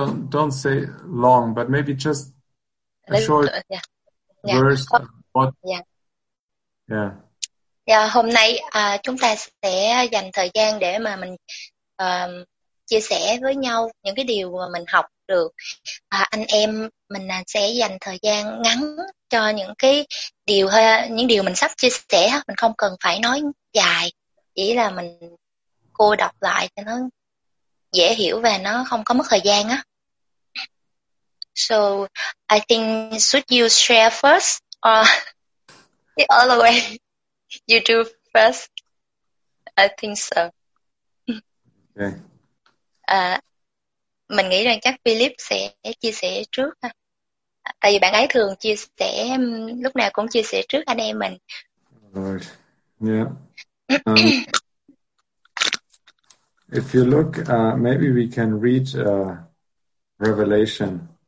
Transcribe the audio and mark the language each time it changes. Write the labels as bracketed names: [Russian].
[English] Don't say long, but maybe just a short verse. [Vietnamese] Hôm nay chúng ta sẽ dành thời gian để mà mình chia sẻ với nhau những cái điều mà mình học được. Anh em mình sẽ dành thời gian ngắn cho những cái điều hay những điều mình sắp chia sẻ. Mình không cần phải nói dài, chỉ là mình cô đọc lại cho nó dễ hiểu và nó không có mất thời gian á. [English] So I think should you share first or the other way you do first? I think so. Okay. [Vietnamese] Mình nghĩ rằng chắc Philip sẽ chia sẻ trước ha. Tại vì bạn ấy thường chia sẻ, lúc nào cũng chia sẻ trước anh em mình. [English] Right. Yeah. If you look, maybe we can read Revelation.